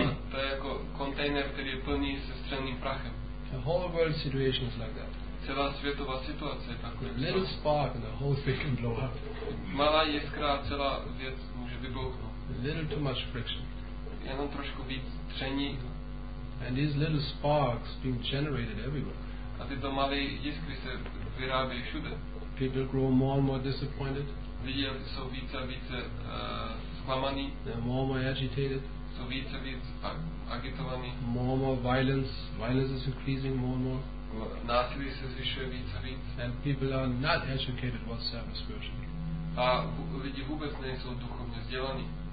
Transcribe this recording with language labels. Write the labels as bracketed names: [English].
[Czech] To je jako kontejner, který je plný se střelným prachem. [English] The whole world situation is like that. [Czech] Celá světová situace je taková. [English] Little spark and the whole thing can blow up. [Czech] Malá jiskra a celá věc může vybouchnout. [English] A little too much friction. [Czech] Jenom trošku víc tření. [English] And these little sparks being generated everywhere. [Czech] A tyto malé jiskry se vyrábějí všude. [English] People grow more and more disappointed. [Czech] Lidi jsou více a více zklamaní. [English] They're more and more agitated. [Czech] So více a víc agitovaní. [English] More and more violence is increasing more and more. [Czech] Násilí se zvyšuje víc a víc. [English] And people are not educated whatsoever spiritually. [Czech] A lidi vůbec nejsou duchovně vzdělaní.